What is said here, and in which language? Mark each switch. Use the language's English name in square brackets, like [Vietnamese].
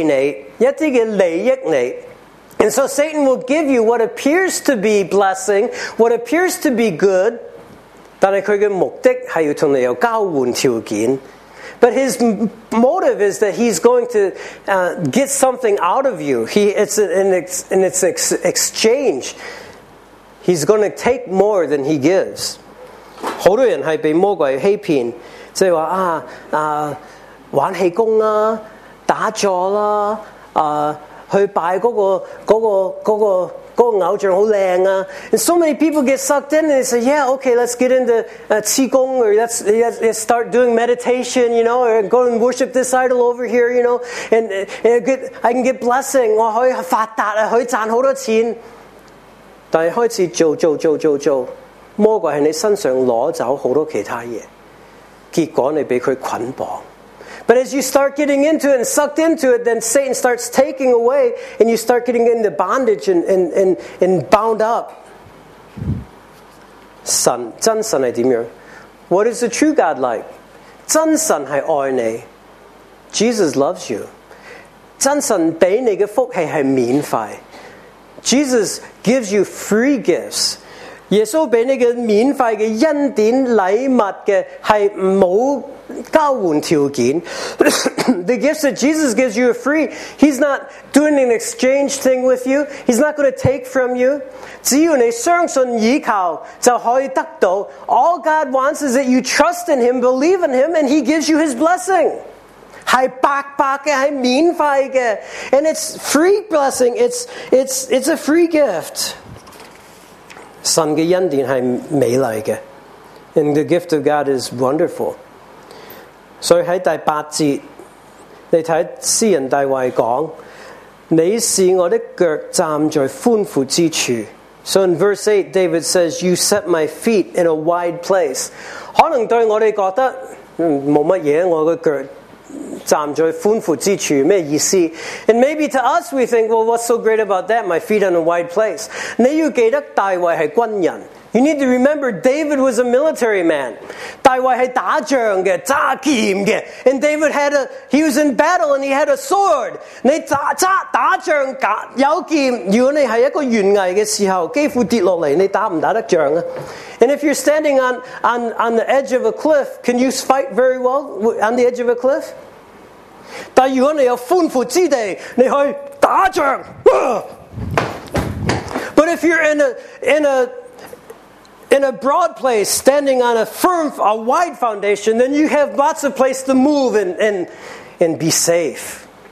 [Chinese] 所以魔鬼就會是給好像一些的福氣你,一些的利益你, [English] and so Satan will give you what appears to be blessing, what appears to be good, [Chinese] 但是他的目的是要跟你有交換條件。 [English] But his motive is that he's going to get something out of you. It's an exchange. He's going to take more than he gives. [Chinese] 很多人是被魔鬼欺騙，就是說玩氣功啊，打坐啊，去拜那個偶像很漂亮啊。 [English] And so many people get sucked in and they say, yeah, okay, let's get into qigong, or let's start doing meditation, you know, or go and worship this idol over here, you know, and I can get blessing. [Chinese] 我可以發達，可以賺很多錢。但是開始做，魔鬼在你身上拿走很多其他東西，結果你被他捆綁。 [English] But as you start getting into it and sucked into it, then Satan starts taking away and you start getting into bondage and bound up. [Chinese] 神, 真神是怎样? [English] What is the true God like? [Chinese] 真神是爱你, [English] Jesus loves you. [Chinese] 真神给你的福气是免费, [English] Jesus gives you free gifts. [Chinese] 耶稣给你的免费的恩典礼物的是没有交换条件。 [English] The gifts that Jesus gives you are free. He's not doing an exchange thing with you. He's not going to take from you. [Chinese] 只要你相信依靠就可以得到. [English] All God wants is that you trust in Him, believe in Him, and He gives you His blessing. [Chinese] 是白白的，是免费的。 [English] And it's free blessing. It's a free gift. [Chinese] 神的恩典是美丽的, [English] and the gift of God is wonderful. [Chinese] 所以在第八节，你看诗人大卫讲, 你是我的脚站在宽阔之处。 [English] So in verse 8, David says, you set my feet in a wide place. [Chinese] 可能对我们觉得, 没什么，我的脚站在宽阔之处，什么意思? [English] And maybe to us we think, well, what's so great about that? My feet in a wide place. [Chinese] 你要记得大卫是军人。 [English] You need to remember, David was a military man. [Chinese] 大卫是打仗的，扎剑的。 [English] And David had a, he was in battle and he had a sword. [Chinese] 你打仗有剑, 如果你是一个悬崖的时候，几乎跌下来，你打不打得仗啊？ [English] And if you're standing on the edge of a cliff, can you fight very well on the edge of a cliff? [Chinese] 但如果你有宽阔之地，你可以打仗。 [English] But if you're in a broad place, standing on a firm, a wide foundation, then you have lots of place to move and be safe.